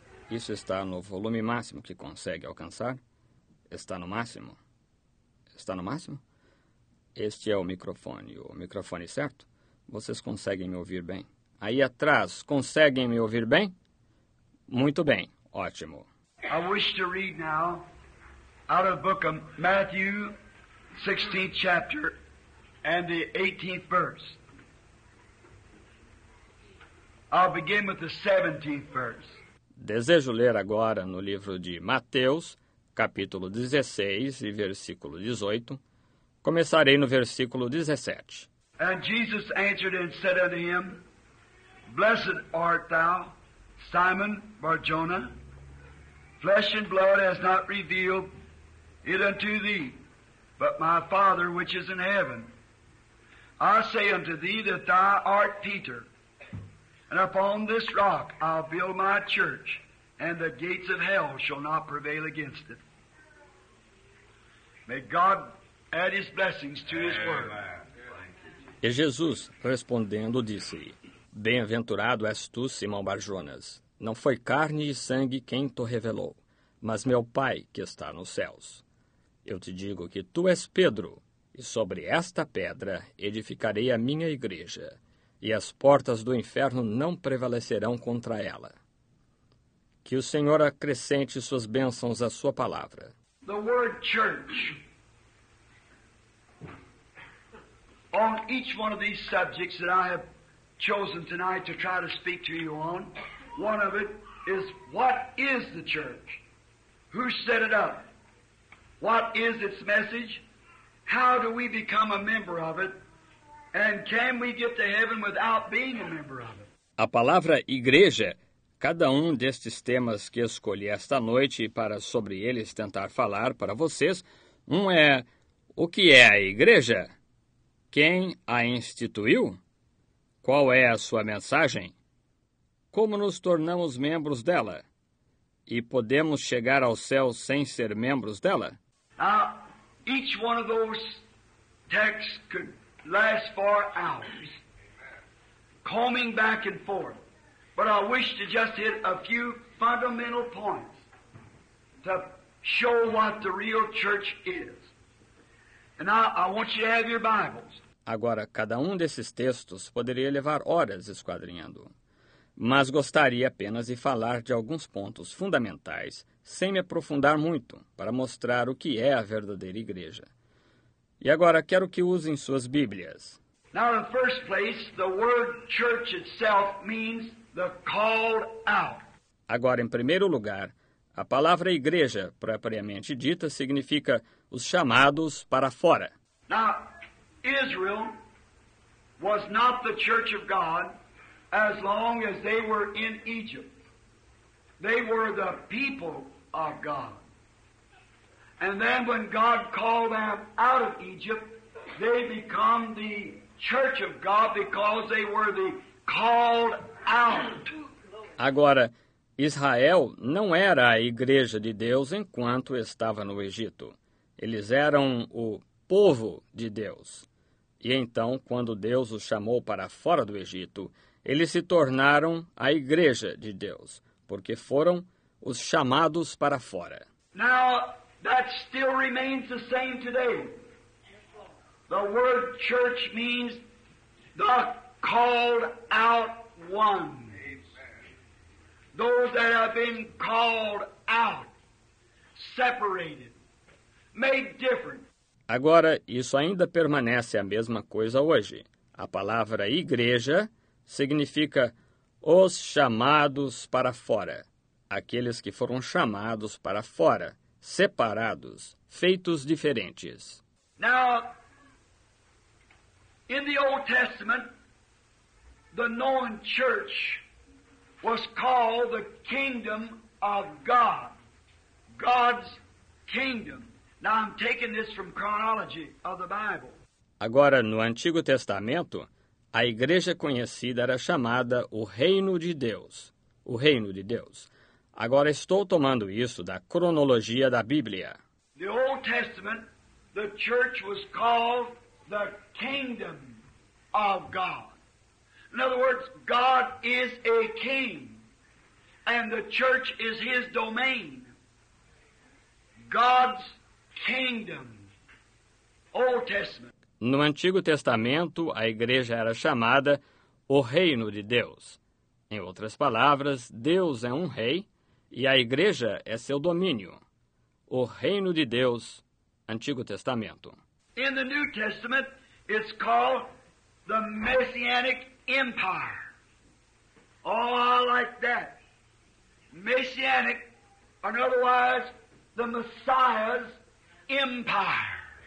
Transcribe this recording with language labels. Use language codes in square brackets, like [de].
[pt] Isso está no volume máximo que consegue alcançar? Está no máximo? Está no máximo? Este é o microfone certo? Vocês conseguem me ouvir bem? Aí atrás, conseguem me ouvir bem? Muito bem, ótimo. [en] I wish to read now out of the book of Matthew, 16th chapter, and the 18th verse. I'll begin with the 17th verse. [pt] Desejo ler agora no livro de Mateus, capítulo 16 e versículo 18. Começarei no versículo 17. [en] And Jesus answered and said unto him, Blessed art thou, Simon Barjona, flesh and blood has not revealed it unto thee, but my Father which is in heaven. I say unto thee that thou art Peter, and upon this rock I'll build my church, and the gates of hell shall not prevail against it. May God add his blessings to his word. [pt] E Jesus, respondendo, disse-lhe, Bem-aventurado és tu, Simão Barjonas. Não foi carne e sangue quem te revelou, mas meu Pai que está nos céus. Eu te digo que tu és Pedro, e sobre esta pedra edificarei a minha igreja, e as portas do inferno não prevalecerão contra ela. Que o Senhor acrescente suas bênçãos à sua palavra. [en] The word church. On each one of these subjects that I have chosen tonight to try to speak to you on, one of it is, what is the church? Who set it up? What is its message? How do we become a member of it? And can we get to heaven without being a member of it? [pt] A palavra igreja, cada um destes temas que escolhi esta noite para sobre eles tentar falar para vocês, um é: o que é a igreja? Quem a instituiu? Qual é a sua mensagem? Como nos tornamos membros dela? E podemos chegar ao céu sem ser membros dela? [en] Each one of those texts could last for hours, combing back and forth. But I wish to just hit a few fundamental points to show what the real church is. And I want you to have your Bibles. [pt] Agora, cada um desses textos poderia levar horas esquadrinhando. Mas gostaria apenas de falar de alguns pontos fundamentais, sem me aprofundar muito, para mostrar o que é a verdadeira igreja. E agora, quero que usem suas Bíblias. [en] Now, in the first place, the word church itself means the called out. [pt] Agora, em primeiro lugar, a palavra igreja, propriamente dita, significa os chamados para fora. [en] Now, Israel was not the church of God as long as they were in Egypt. They were the people of God. And then when God called them out of Egypt, they become the church of God because they were the called out. [pt] Agora, Israel não era a igreja de Deus enquanto estava no Egito. Eles eram o povo de Deus. E então, quando Deus os chamou para fora do Egito, eles se tornaram a igreja de Deus, porque foram os chamados para fora. [en] Now, that still remains the same today. The word church means the called out ones. Those that have been called out, separated, made different. [pt] Agora, isso ainda permanece a mesma coisa hoje. A palavra igreja significa os chamados para fora, aqueles que foram chamados para fora, separados, feitos diferentes. [en] Now, in the Old Testament, the known church was called the kingdom of God, God's kingdom. Now I'm taking this from chronology of the Bible. [pt] Agora, no Antigo Testamento, a igreja conhecida era chamada o Reino de Deus. O Reino de Deus. Agora estou tomando isso da cronologia da Bíblia. [en] The Old Testament, the church was called the kingdom of God. In other words, God is a king, and the church is his domain. God's kingdom, Old Testament. [pt] No Antigo Testamento, a igreja era chamada o Reino de Deus. Em outras palavras, Deus é um rei e a igreja é seu domínio. O Reino de Deus, Antigo Testamento. [en] In the New Testament, it's called the Messianic Empire. Oh, I like that. Messianic, or otherwise, the Messiah's Empire.